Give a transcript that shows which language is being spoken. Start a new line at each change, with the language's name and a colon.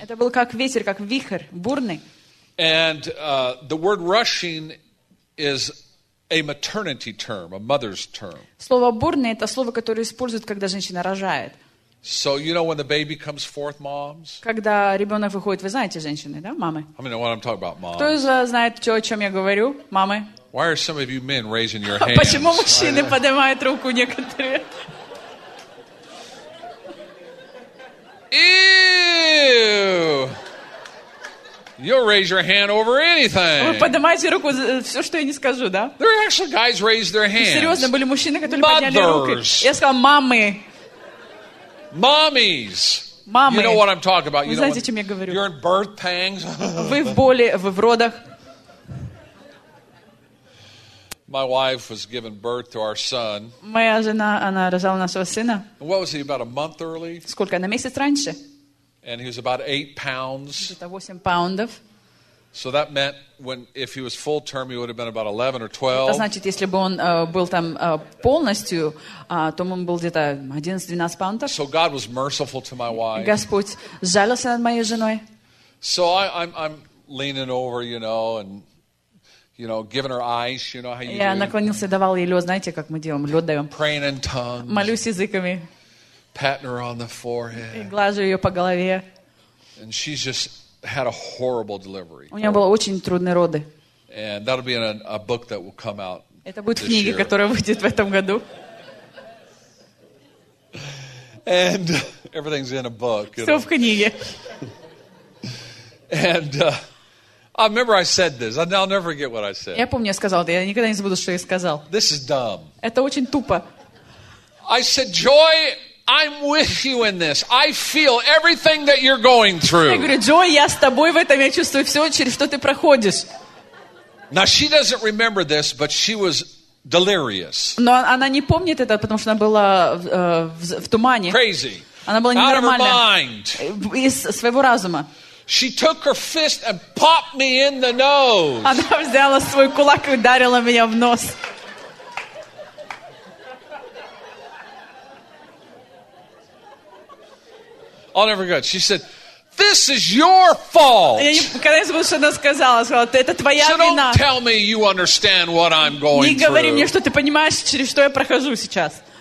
Russian: Это был как ветер, как вихрь, бурный.
English: And the word rushing is a maternity term, a mother's term.
Russian: Слово бурный — это слово, которое используют, когда женщина рожает.
English: So you know when the baby comes forth, moms?
Russian: Когда ребенок выходит, вы знаете, женщины, да, мамы?
English: I mean, what I'm talking about, moms.
Russian: Кто из вас знает, о чем я говорю, мамы?
English: Why are some of you men raising your hands?
Russian: Почему мужчины поднимают руку некоторые?
English: Ew! You'll raise your hand over anything.
Russian: Вы поднимаете руку за все, что я не скажу, да?
English: There are actually guys raised their hands.
Russian: Серьезно, были мужчины, которые подняли руки. Я сказал, мамы.
English: Mommies.
Russian: Мамы.
English: You know what I'm talking about.
Russian: Вы знаете, о чем я говорю?
English: You're in birth pangs.
Russian: Вы в боли, вы в родах.
English: My wife was giving birth to our son.
Russian: Моя жена, она рожала нашего сына.
English: What was he, about a month early?
Russian: Сколько? На месяц раньше.
English: And he was about 8 pounds.
Russian: Это 8 pounds.
English: So that meant when if he was full term, he would have been about 11 or 12.
Russian: Это значит, если бы он был там полностью, то он был где-то 11-12 pounds.
English: So God was merciful to my wife.
Russian: Господь жалился над моей женой.
English: So I'm leaning over, you know, and you know, giving her ice, you know how you.
Russian: Я наклонился, давал ей лед, знаете, как мы делаем, лед даем.
English: Praying in tongues.
Russian: Молюсь языками.
English: Patting her on the forehead.
Russian: И глажу ее по голове.
English: And she's just had a horrible delivery.
Russian: У нее было очень трудные роды.
English: And that'll be in a book that will come out.
Russian: Это будет в книге, которая выйдет в этом году.
English: And everything's in a book.
Russian: Все в книге.
English: And I remember I said this. I'll never forget what I said.
Russian: Я помню, я сказал это. Я никогда не забуду, что я сказал.
English: This is dumb.
Russian: Это очень тупо.
English: I said, Joy, I'm with you in this. I feel everything that you're going through.
Russian: Я говорю, Джой, я с тобой в этом. Я чувствую все, через что ты проходишь.
English: Now she doesn't remember this, but she was delirious.
Russian: Но она не помнит это, потому что она была в тумане.
English: Crazy.
Russian: Она была ненормальная.
English: Out of her mind.
Russian: Из своего разума.
English: She took her fist and popped me in the nose.
Russian: Она взяла свой кулак и ударила меня в нос.
English: I'll never forget. She said, "This this is your fault.
Russian: Я не понимаю, что она сказала. Сказала, это твоя вина.
English: So don't tell me you understand what I'm going through.
Russian: Не говори мне, что ты понимаешь, через что я прохожу сейчас.